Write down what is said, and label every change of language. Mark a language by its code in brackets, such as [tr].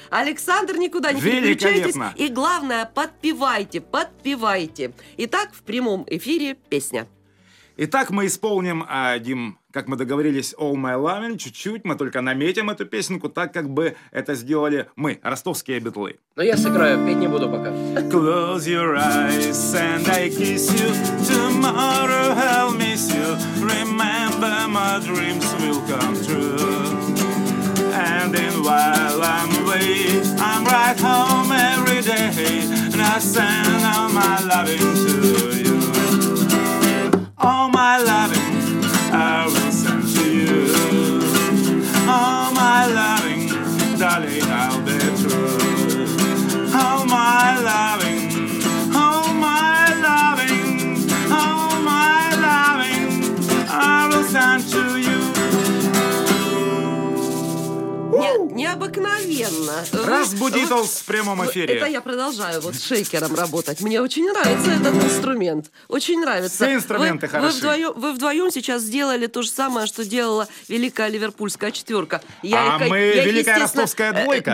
[ru] Александр, никуда не переключайтесь. И главное, подпевайте. Итак, в прямом эфире песня. Итак, мы исполним, Дим, как мы договорились, All My Lovin', чуть-чуть, мы только наметим эту песенку, так как бы это сделали мы, ростовские битлы. Но я сыграю, петь не буду пока. [en] Close your eyes and I kiss you, tomorrow I'll miss you, remember my dreams will come true. And then while I'm away, I'm right home every day, and I send all my loving to you. All my loving, I will send to you. All my loving, darling, I'll be true. All my loving, all my loving, all my loving, I will send to you. [ru] Необыкновенно. Раз Битлз в прямом эфире. Это я продолжаю вот шейкером работать. Мне очень нравится этот инструмент. Очень нравится. Все инструменты хороши. Вы вдвоем сейчас сделали то же самое, что делала великая ливерпульская четверка. Великая ростовская двойка.